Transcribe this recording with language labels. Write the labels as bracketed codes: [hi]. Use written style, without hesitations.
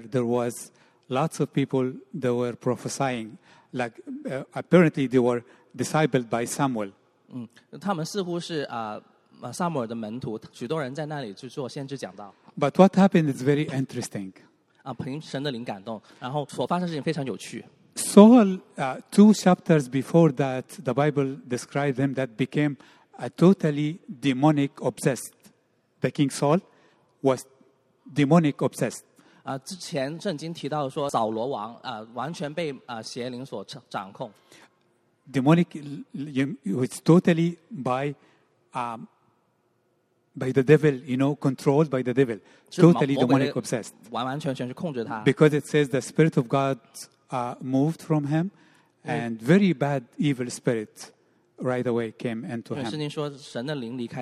[en] There was lots of people that were prophesying, like apparently they were discipled by Samuel. [zh] 他们似乎是撒母耳的门徒，许多人在那里去做先知讲道。But [en] what happened is very interesting. [zh] 凭神的灵感动，然后所发生的事情非常有趣。Saul, [en] two chapters before that, the Bible described him that became a totally demonic obsessed. The king Saul was demonic obsessed. [zh] 之前圣经提到说扫罗王完全被邪灵所掌控。 [en] Demonic, it's totally by the devil, you know, controlled by the devil. Totally demonic obsessed. [zh] 完完全全是控制他。 [en] Because it says the spirit of God moved from him, and very bad evil spirit right away came into him.